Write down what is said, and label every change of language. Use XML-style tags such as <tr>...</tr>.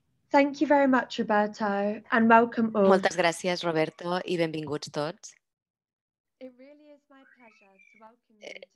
<en>Thank you very much, Roberto, and welcome all.</en> <ca>Moltes gràcies, Roberto, i benvinguts tots.</ca> <en>It really is my pleasure to welcome you.</en>